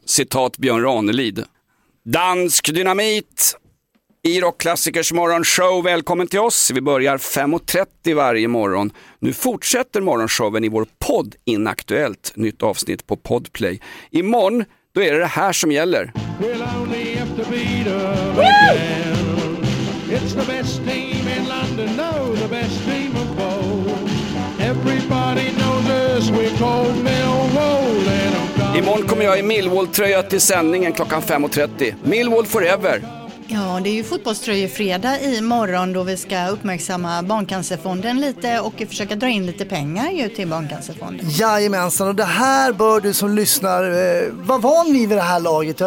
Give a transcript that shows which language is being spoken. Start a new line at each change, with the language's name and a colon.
Swedish: Citat Björn Ranelid. Dansk dynamit. I Rockklassikers morgonshow, välkommen till oss. Vi börjar 5.30 varje morgon. Nu fortsätter morgonshowen i vår podd Inaktuellt. Nytt avsnitt på Podplay. Imorgon, då är det här som gäller.
English: We'll only have to beat up again. It's the best team in London, no, the best team of both. Everybody knows us, we're called Millwall.
Swedish: Imorgon kommer jag i Millwall-tröja till sändningen klockan 5.30.
English: Millwall forever.
Swedish: Ja, det är ju fotbollströjefredag i morgon då vi ska uppmärksamma Barncancerfonden lite och försöka dra in lite pengar ju till Barncancerfonden. Jajamensan, och det här bör du som lyssnar vad van vid det här laget.